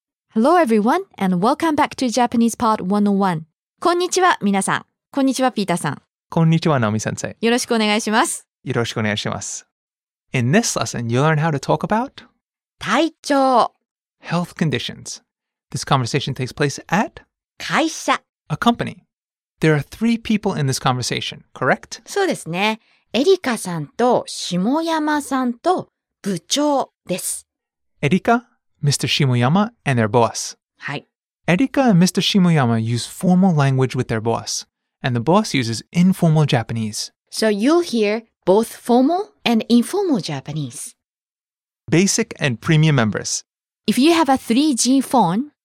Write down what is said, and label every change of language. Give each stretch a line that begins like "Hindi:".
English: Hello everyone and welcome back to Japanese Part 101.
Japanese: こんにちは皆さん。こんにちは Peter さん。こんにちはナオミ先生。よろしくお願いします。よろしくお願いします。
English: In this lesson, you'll learn how to talk about
Japanese: 体調
English: Health conditions. This conversation takes place at
Japanese: 会社
English: A company. There are three people in this conversation, correct?
Japanese: そうですね。エリカさんと下山さんと部長です。
English: エリカ、Mr. Shimoyama, and their boss.
Japanese: はい。
English: エリカ and Mr. Shimoyama use formal language with their boss, and the boss uses informal Japanese. So you'll hear both formal and informal Japanese. Basic and premium members. If you have a 3G phone,